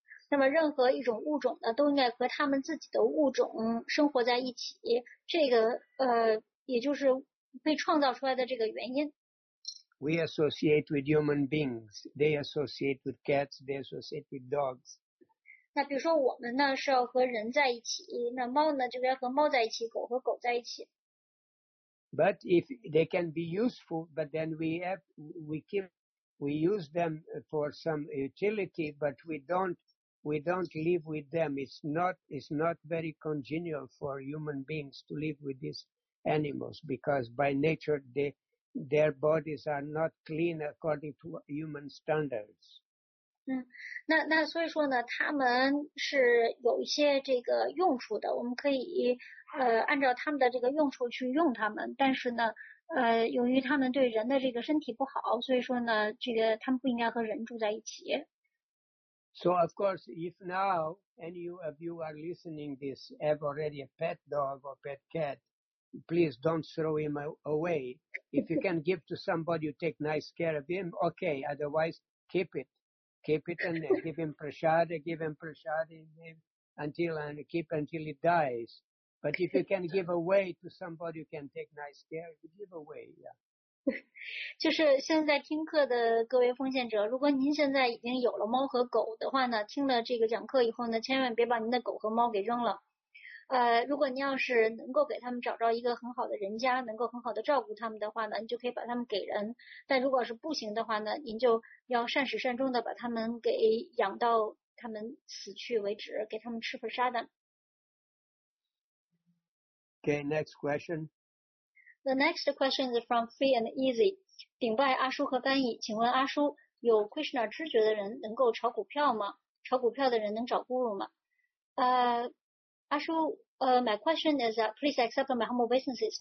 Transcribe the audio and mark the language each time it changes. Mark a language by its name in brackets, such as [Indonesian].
[Chinese] 那么任何一种物种呢都应该和他们自己的物种生活在一起，这个也就是被创造出来的这个原因。 [English] We associate with human beings, they associate with cats, they associate with dogs. [Chinese] 那比如说我们呢是要和人在一起，那猫呢就该和猫在一起，狗和狗在一起。 [English] But if they can be useful, but then we use them for some utility, but we don't live with them. It's not very congenial for human beings to live with these animals because by nature their bodies are not clean according to human standards. [Chinese] 那所以说呢，他们是有一些这个用处的。我们可以按照他们的这个用处去用他们，但是呢，由于他们对人的这个身体不好，所以说呢，这个他们不应该和人住在一起。 [English] So of course, if now any of you are listening this have already a pet dog or pet cat, please don't throw him away. If you can give to somebody who take nice care of him, okay. Otherwise, keep it and give him prasad until he dies. But if you can give away to somebody who can take nice care, give away, yeah. [Chinese] 就是现在听课的各位奉献者，如果您现在已经有了猫和狗的话呢，听了这个讲课以后呢，千万别把您的狗和猫给扔了。如果您要是能够给他们找着一个很好的人家，能够很好的照顾他们的话呢，你就可以把他们给人。但如果是不行的话呢，您就要善始善终的把他们给养到他们死去为止，给他们吃粪沙的。 [English] Okay, next question. The next question is from Free and Easy. [Chinese] 顶拜阿叔和甘义，请问阿叔，有 Krishna 知觉的人能够炒股票吗？炒股票的人能找guru吗？ [English] Ashu, my question is that, please accept my humble obeisances.